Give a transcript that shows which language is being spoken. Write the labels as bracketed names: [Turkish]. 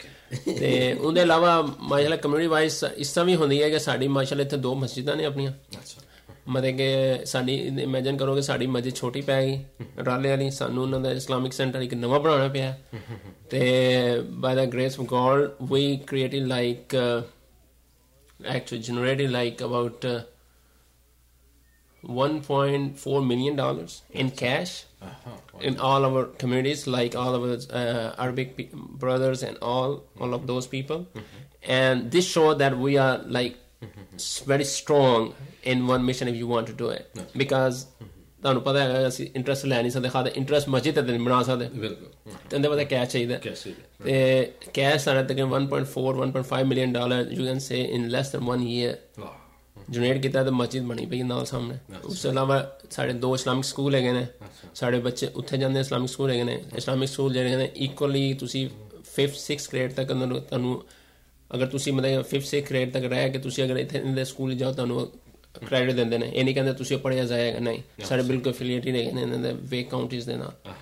[Punjabi] ਅਤੇ ਉਹਦੇ ਇਲਾਵਾ ਮਾਸ਼ਾਅੱਲਾ ਕਮਿਊਨਿਟੀ ਵਾਈਜ਼ ਇਸ ਤਰ੍ਹਾਂ ਵੀ ਹੁੰਦੀ ਹੈ ਕਿ ਸਾਡੀ ਮਾਸ਼ਾਅੱਲਾ ਇੱਥੇ 2 ਮਸਜਿਦਾਂ ਨੇ ਆਪਣੀਆਂ, ਮਤਲਬ ਕਿ ਸਾਡੀ ਇਮੈਜਿਨ ਕਰੋ ਕਿ ਸਾਡੀ ਮਸਜਿਦ ਛੋਟੀ ਪੈ ਗਈ ਰਾਲੇ ਵਾਲੀ, ਸਾਨੂੰ ਉਹਨਾਂ ਦਾ ਇਸਲਾਮਿਕ ਸੈਂਟਰ ਇੱਕ ਨਵਾਂ ਬਣਾਉਣਾ ਪਿਆ। [English] ਅਤੇ by the grace of God we created like actually generated like about $1.4 million in cash in all our communities, like all of us Arabic brothers and all of those people. And this showed that we are like very strong in one mission if you want to do it. [Punjabi] Because ਤੁਹਾਨੂੰ ਪਤਾ ਹੈਗਾ ਅਸੀਂ interest ਲੈ ਨਹੀਂ ਸਕਦੇ ਖਾਦ interest ਮਸਜਿਦ ਤਾਂ ਨਹੀਂ ਬਣਾ ਸਕਦੇ ਤੁਹਾਨੂੰ ਪਤਾ ਕੈਸ਼ ਚਾਹੀਦਾ ਅਤੇ ਕੈਸ਼ ਸਾਡੇ ਤੱਕ $1.4-1.5 million [English] you can say in less than 1 year [Punjabi] generate ਕੀਤਾ ਤਾਂ ਮਸਜਿਦ ਬਣੀ ਪਈ ਨਾਲ ਸਾਹਮਣੇ ਉਸ ਤੋਂ ਇਲਾਵਾ ਸਾਡੇ 2 ਇਸਲਾਮਿਕ ਸਕੂਲ ਹੈਗੇ ਨੇ ਸਾਡੇ ਬੱਚੇ ਉੱਥੇ ਜਾਂਦੇ ਇਸਲਾਮਿਕ ਸਕੂਲ ਹੈਗੇ ਨੇ ਇਸਲਾਮਿਕ ਸਕੂਲ ਜਿਹੜੇ ਨੇ ਇਕੁਅਲੀ ਤੁਸੀਂ 5th-6th grade ਤੱਕ ਤੁਹਾਨੂੰ ਅਗਰ ਤੁਸੀਂ ਮਤਲਬ 5th-6th grade ਤੱਕ ਰਹਿ ਕੇ ਤੁਸੀਂ ਅਗਰ ਇੱਥੇ ਇਹਦੇ ਸਕੂਲ ਜਾਓ ਤੁਹਾਨੂੰ ਕ੍ਰੈਡਿਟ ਦਿੰਦੇ ਨੇ ਇਹ ਨਹੀਂ ਕਹਿੰਦੇ ਤੁਸੀਂ ਪੜ੍ਹਿਆ ਜਾਏਗਾ ਨਹੀਂ ਸਾਡੇ ਬਿਲਕੁਲ ਅਫੀਲੀਏਟ ਹੀ ਨਹੀਂ ਇਹਨਾਂ ਦੇ ਵੇਗ ਕਾਊਂਟੀਜ਼ ਦੇ ਨਾਲ